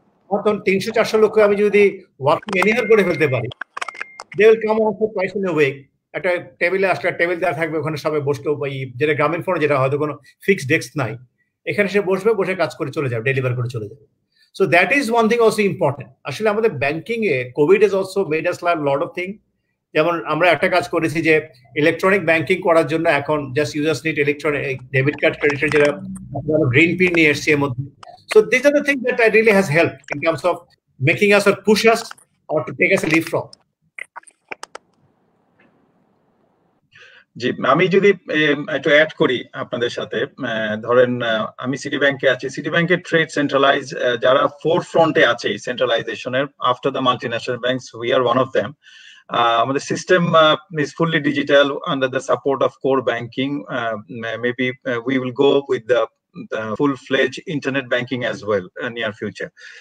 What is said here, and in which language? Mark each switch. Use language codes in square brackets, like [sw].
[bn] তখন 300-400 লোক আমি যদি ওয়ার্কিং এনিওয়্যার করে ফেলতে পারি, [en] they will come on for twice in a week, [bn] একটা টেবিলে আসলে টেবিল দেওয়া থাকবে, ওখানে সবাই বসতে পারি, যেটা গ্রামীণ ফোনে যেটা হয়তো কোনো ফিক্সড ডেস্ক নাই, এখানে সে বসবে, বসে কাজ করে চলে যাবে, ডেলিভার করে চলে যাবে। [en] So that is one thing also important. [bn] আসলে আমাদের ব্যাঙ্কিংয়ে [en] Covid is also made us learn lot of thing. [bn] যেমন আমরা একটা কাজ করেছি যে ইলেকট্রনিক ব্যাঙ্কিং করার জন্য এখন [en] just users need [bn] electronic debit card, credit card, যেটা গ্রিন পিন নিয়ে এসছি এর মধ্যে। [en] So these are the things that really has helped in terms of making us or push us or to take us a leap from. [bn] জি, আমি যদি একটু add করি আপনাদের সাথে, ধরেন আমি সিটি ব্যাংকে আছি, সিটি ব্যাংকের ট্রেড সেন্ট্রালাইজ যারা ফোর ফ্রন্টে আছে সেন্ট্রালাইজেশনের, [en] After the multinational banks we are one of them. আমাদের system is fully digital under the support of core banking, maybe we will go with the full-fledged internet banking as well in near future.